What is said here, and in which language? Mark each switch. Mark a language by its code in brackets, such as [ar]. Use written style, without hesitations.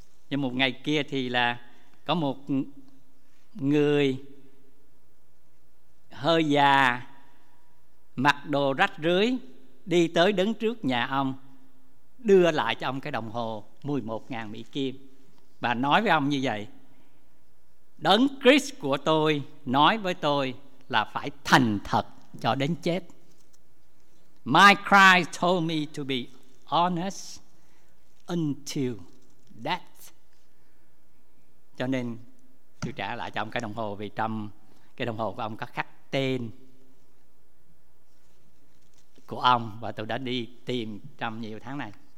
[vi] Nhưng một ngày kia thì là có một người hơi già, mặc đồ rách rưới, đi tới đứng trước nhà ông, đưa lại cho ông cái đồng hồ 11.000 Mỹ Kim, và nói với ông như vậy: Đấng Christ của tôi nói với tôi là phải thành thật cho đến chết. [en] My Christ told me to be honest until death. [vi] Cho nên tôi trả lại cho ông cái đồng hồ, vì trong cái đồng hồ của ông có khắc tên của ông, và tôi đã đi tìm trong nhiều tháng này.